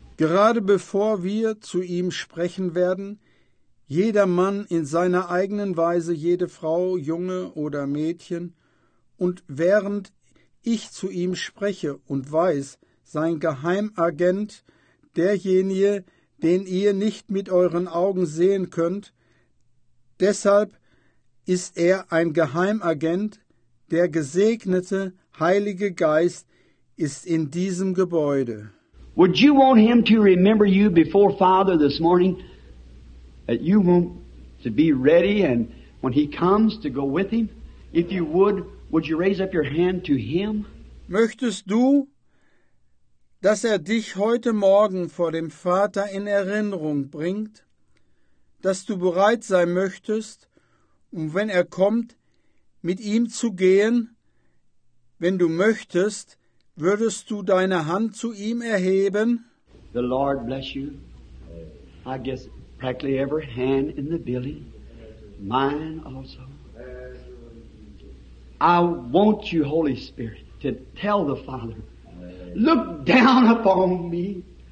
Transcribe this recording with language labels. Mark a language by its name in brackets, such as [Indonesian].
[German] Gerade bevor wir zu ihm sprechen werden, jeder Mann in seiner eigenen Weise, jede Frau, Junge oder Mädchen, und während ich zu ihm spreche und weiß, sein Geheimagent, derjenige, den ihr nicht mit euren Augen sehen könnt, deshalb ist er ein Geheimagent, der gesegnete Heilige Geist ist in diesem Gebäude. [English] Would you want him to remember you before Father this morning? That you want to be ready and when he comes to go with him? If you would you raise up your hand to him? [German] Möchtest du, dass er dich heute Morgen vor dem Vater in Erinnerung bringt, dass du bereit sein möchtest, um wenn er kommt, mit ihm zu gehen? Wenn du möchtest, würdest du deine Hand zu ihm erheben? [English] The Lord bless you. I guess practically every hand in the building, mine also. I want you, Holy Spirit, to tell the Father, look down upon me.